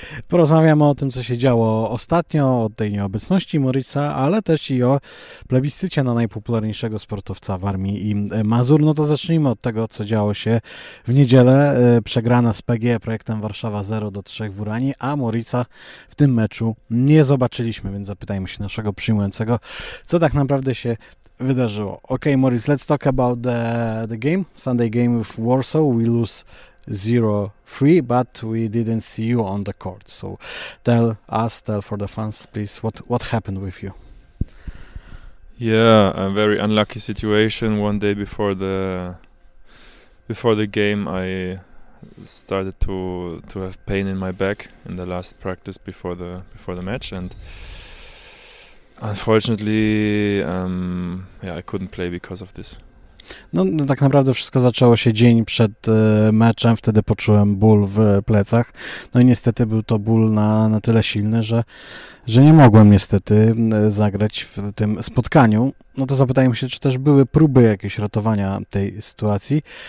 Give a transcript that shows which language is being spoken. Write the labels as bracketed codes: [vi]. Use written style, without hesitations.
[pl] Porozmawiamy o tym, co się działo ostatnio, o tej nieobecności Moritza, ale też i o plebiscycie na najpopularniejszego sportowca Warmii i Mazur. No to zacznijmy od tego, co działo się w niedzielę. Przegrana z PGE projektem Warszawa 0-3 w Uranii, a Moritza w tym meczu nie zobaczyliśmy, więc zapytajmy się naszego przyjmującego, co tak naprawdę się wydarzyło. [en] Ok, Moritz, let's talk about the game. Sunday game with Warsaw, we lose 0-3, but we didn't see you on the court. So tell us, tell for the fans, please, what happened with you? Yeah, a very unlucky situation. One day before the game, I started to have pain in my back in the last practice before the match, and unfortunately, I couldn't play because of this. [pl] No, no tak naprawdę wszystko zaczęło się dzień przed meczem, wtedy poczułem ból w plecach, no i niestety był to ból na tyle silny, że nie mogłem niestety zagrać w tym spotkaniu. No to zapytajmy się, czy też były próby jakieś ratowania tej sytuacji.